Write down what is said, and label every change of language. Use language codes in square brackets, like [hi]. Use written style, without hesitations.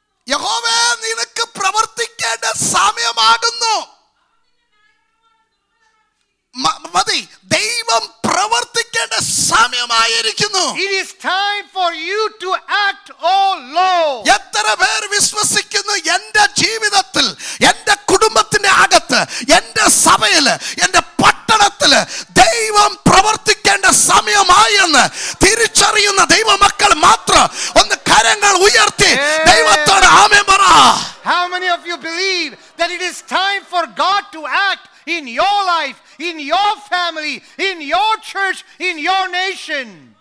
[ml] യഹോവേ നിനക്ക് പ്രവർത്തിക്കേണ്ട സമയമാകുന്നു. മതി, ദൈവം പ്രവർത്തിക്കേണ്ട സമയമായിരിക്കുന്നു. [en] It is time for you to act, oh Lord. [ml] എത്ര പേർ വിശ്വസിക്കുന്നു എന്റെ ജീവിതത്തിൽ എന്റെ കുടുംബത്തിന്റെ അകത്ത് എന്റെ സഭയില് എന്റെ പട്ടണത്തില് ദൈവം പ്രവർത്തിക്കേണ്ട സമയമായെന്ന് തിരിച്ചറിയുന്ന ദൈവ മക്കൾ മാത്രം ഒന്ന് കരങ്ങൾ ഉയർത്തി ദൈവത്തോട് ആമേൻ പറ. [en] How many of you believe that it is time for God to act in your life, in your family, in your church, in your nation?